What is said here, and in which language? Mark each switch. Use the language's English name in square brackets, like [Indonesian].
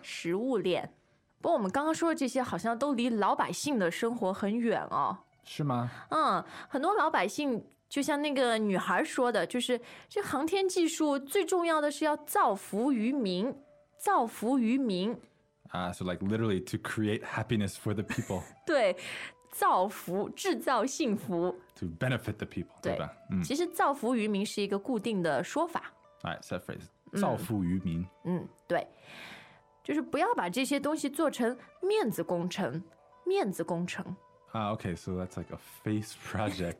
[Chinese] 食物链。不过我们刚刚说的这些好像都离老百姓的生活很远哦。是吗？很多老百姓就像那个女孩说的，就是这航天技术最重要的是要造福于民，造福于民。 [English] So like literally to create happiness for the people. [Chinese] 对，造福，制造幸福。 [English] To benefit the people， [Chinese] 对吧？其实造福于民是一个固定的说法。 [English] Alright, set phrase. [Chinese] 造福于民。对，就是不要把这些东西做成面子工程，面子工程。 [English] Okay, so that's like a face project.